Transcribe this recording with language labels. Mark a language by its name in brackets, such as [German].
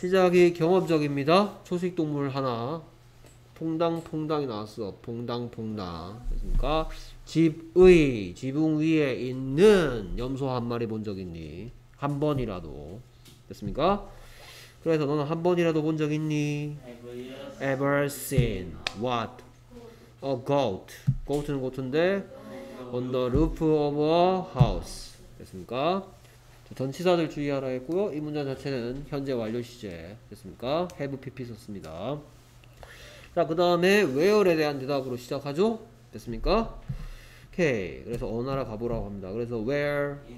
[Korean] 시작이 경험적입니다. 초식 동물 하나. 퐁당퐁당이 나왔어. 퐁당퐁당. 됐습니까? 집의 지붕 위에 있는 염소 한 마리 본 적 있니? 한 번이라도. 됐습니까? 그래서 너는 한 번이라도 본 적 있니? [English] Ever seen what? A goat. goat는 goat인데 on the roof of a house. [Korean] 됐습니까? 전치사들 주의하라 했고요. 이 문장 자체는 현재 완료 시제. 됐습니까? have pp 썼습니다. 자, 그 다음에 where에 대한 대답으로 시작하죠. 됐습니까? 오케이. 그래서 어느 나라 가보라고 합니다. 그래서 where?